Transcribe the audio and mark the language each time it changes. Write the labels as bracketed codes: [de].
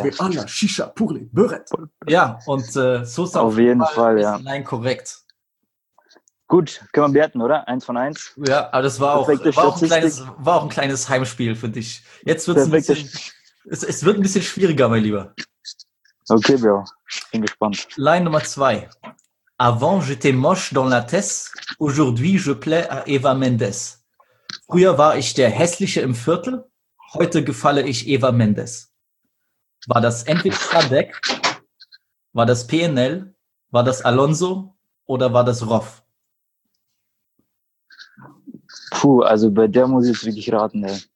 [de] Schwefana, Shisha, Purli, Buret. Ja, und Sosa auf jeden Fall ist ein Line korrekt. Gut, können wir bewerten, oder? 1-1. Ja, aber das war auch ein kleines Heimspiel für dich. Jetzt wird es wird ein bisschen schwieriger, mein Lieber. Okay, Bro. Bin gespannt. Line Nummer 2. [fr] Avant, j'étais moche dans la Tesse. Aujourd'hui, je plais à Eva Mendes. [de] Früher war ich der Hässliche im Viertel. Heute gefalle ich Eva Mendes. War das entweder Stradek, war das PNL, war das Alonso oder war das Roff? Puh, also bei der muss ich jetzt wirklich raten, ey.